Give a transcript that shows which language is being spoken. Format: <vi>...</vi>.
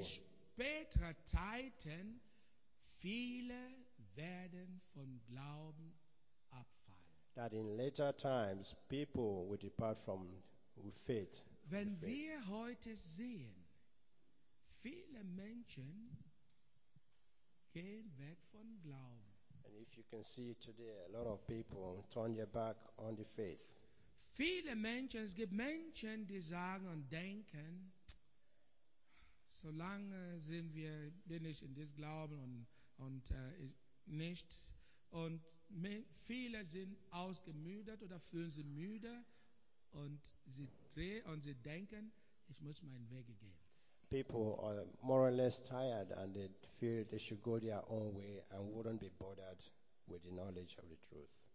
<de>In späterer Zeiten viele werden vom Glauben abfallen.</de> <en>That in later times people will depart from faith.</en> <de>Wenn wir heute sehen, viele Menschen gehen weg vom Glauben.</de> <en>And if you can see today, a lot of people turn their back on the faith.</en> <de>Viele Menschen, es gibt Menschen, die sagen und denken, solange sind wir, bin ich in diesem Glauben und nicht. Und viele sind ausgemüdet oder fühlen sich müde und sie drehen und sie denken, ich muss meinen Weg gehen.</de> <en>People are more or less tired and they feel they should go their own way and wouldn't be bothered with the knowledge of the truth.</en>